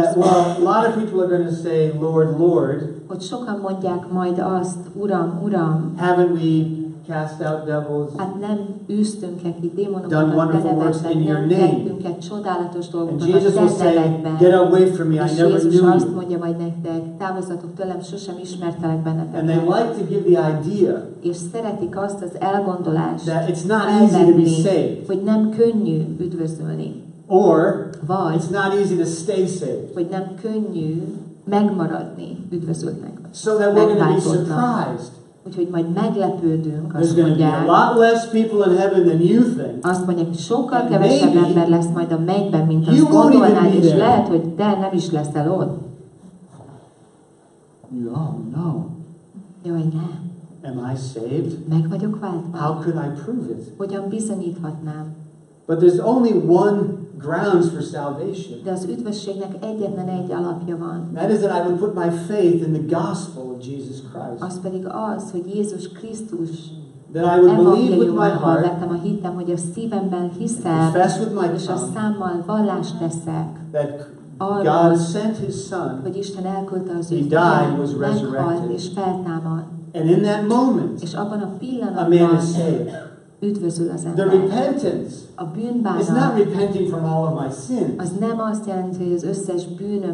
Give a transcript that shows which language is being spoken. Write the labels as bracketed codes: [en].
[en] That, well, a lot of people are going to say, Lord, Lord. [hu] Hogy sokan mondják majd azt, Uram, Uram. [en] Haven't we cast out devils. [hu] Hát nem üztünk ki démonokat. [en] Done wonderful works in your name. [hu] Tettünk egy csodálatos dolgot. [en] And Jesus will say, get away from me, I never knew you. [hu] És azt mondja majd nektek, távozzatok tőlem, sosem ismertelek benneteket. [en] And they like to give the idea. [hu] És szeretik azt az elgondolást. [en] That it's not easy to be saved. [hu] Hogy nem könnyű üdvözölni. [en] Or [hu] vagy, [en] it's not easy to stay saved. [hu] Hogy nem könnyű megmaradni üdvözöltnek. [en] So that we're going to be surprised. [hu] Úgyhogy majd meglepődünk, azt mondják. [en] There's going to be a lot less people in heaven than you think. [hu] Azt mondják, sokkal kevesebb ember lesz majd a mennyben, mint azt gondolnád, és lehet, hogy te nem is leszel ott. [en] No. [hu] Jó, hogy nem. [en] Am I saved? [hu] Meg vagyok váltva. [en] How could I prove it? [hu] Hogyan bizonyíthatnám? [en] But there's only one grounds for salvation. [hu] De az üdvösségnek egyetlen egy alapja van. [en] That is that I would put my faith in the gospel of Jesus Christ. [hu] Az pedig az, hogy Jézus Krisztus. [en] That I would believe with my heart. [hu] Vettem a hittem, hogy a szívemben hiszem. [en] Confess with my tongue. [hu] És a számmal vallást teszek. [en] That God sent His Son. [hu] Hogy Isten elküldte az ő fiát. [en] He died, was resurrected. [hu] És feltámadt. [en] And in that moment. [hu] És abban a pillanatban. [en] A man is saved. [hu] Üdvözül az ember. [en] The repentance. [hu] A bűnbánat. [en] Is not repenting from all of my sins. [hu] Az nem azt jelenti, hogy az összes bűnömet.